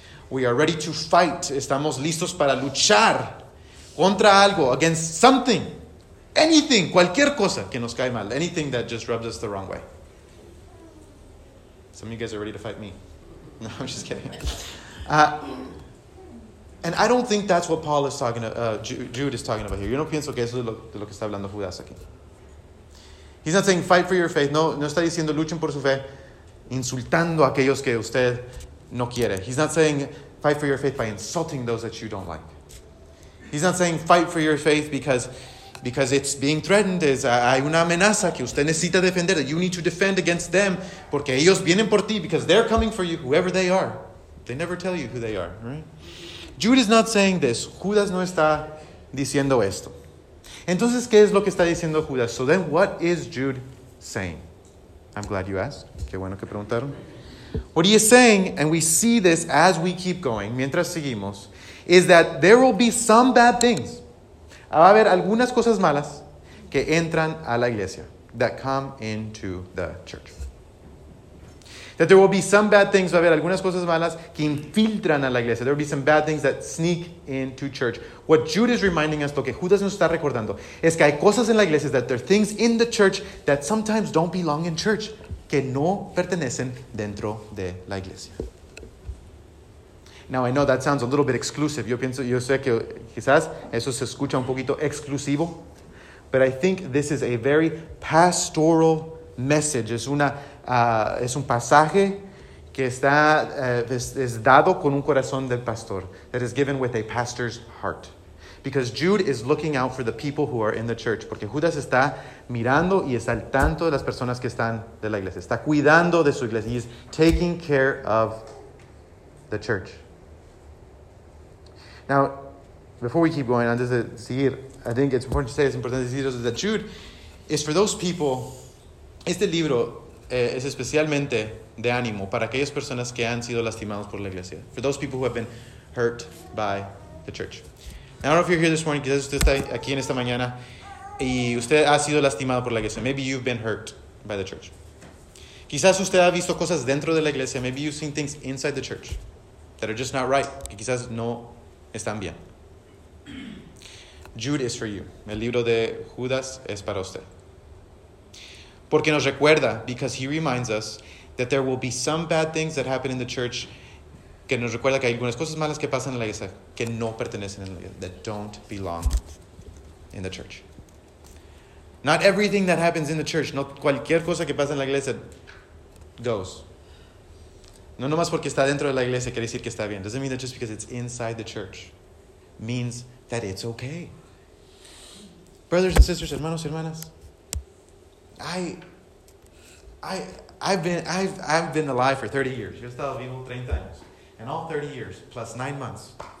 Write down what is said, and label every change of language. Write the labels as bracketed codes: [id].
[en] We are ready to fight. [es] Estamos listos para luchar contra algo, [en] against something. [es] Anything, cualquier cosa que nos cae mal. [en] Anything that just rubs us the wrong way. Some of you guys are ready to fight me. No, I'm just kidding. And I don't think that's what Paul is talking about, Jude is talking about here. [es] Yo no pienso que eso es lo que está hablando Judas aquí. [en] He's not saying fight for your faith. [es] No, no está diciendo luchen por su fe, insultando a aquellos que usted no quiere. [en] He's not saying fight for your faith by insulting those that you don't like. He's not saying fight for your faith because it's being threatened, [es] es hay una amenaza que usted necesita defender, [en] that you need to defend against them, [es] porque ellos vienen por ti, [en] because they're coming for you, whoever they are. They never tell you who they are, right? Jude is not saying this. [es] Judas no está diciendo esto. Entonces, ¿qué es lo que está diciendo Judas? [en] So then, what is Jude saying? I'm glad you asked. [es] Qué bueno que preguntaron. [en] What he is saying, and we see this as we keep going, [es] mientras seguimos, [en] is that there will be some bad things. [es] Va a haber algunas cosas malas que entran a la iglesia. [en] That come into the church. That there will be some bad things. [es] Va a haber algunas cosas malas que infiltran a la iglesia. [en] There will be some bad things that sneak into church. What Jude is reminding us, [es] lo que Judas nos está recordando, es que hay cosas en la iglesia, [en] that there are things in the church that sometimes don't belong in church, [es] que no pertenecen dentro de la iglesia. [en] Now, I know that sounds a little bit exclusive. [es] Yo sé que quizás eso se escucha un poquito exclusivo. [en] But I think this is a very pastoral message. [es] Es un pasaje que está es dado con un corazón del pastor. [en] That is given with a pastor's heart. Because Jude is looking out for the people who are in the church. [es] Porque Judas está mirando y está al tanto de las personas que están de la iglesia. Está cuidando de su iglesia. [en] He is taking care of the church. Now, before we keep going, [es] antes de seguir, [en] I think it's important to say, [es] es importante decir eso, [en] that Jude is for those people, [es] este libro es especialmente de ánimo para aquellas personas que han sido lastimados por la iglesia. [en] For those people who have been hurt by the church. Now, I don't know if you're here this morning, [es] quizás usted está aquí en esta mañana y usted ha sido lastimado por la iglesia. [en] Maybe you've been hurt by the church. [es] Quizás usted ha visto cosas dentro de la iglesia. [en] Maybe you've seen things inside the church that are just not right. [es] Que quizás no están bien. [en] Jude is for you. [es] El libro de Judas es para usted. Porque nos recuerda, [en] because he reminds us, that there will be some bad things that happen in the church. [es] Que nos recuerda que hay algunas cosas malas que pasan en la iglesia que no pertenecen en la iglesia. [en] That don't belong in the church. Not everything that happens in the church, [es] no cualquier cosa que pasa en la iglesia [en] goes. [es] No nomás porque está dentro de la iglesia quiere decir que está bien. [en] Doesn't mean that just because it's inside the church means that it's okay. Brothers and sisters, [es] hermanos y hermanas, [en] I've been alive for 30 years. [es] Yo he estado vivo 30 años. [en] And all 30 years plus 9 months.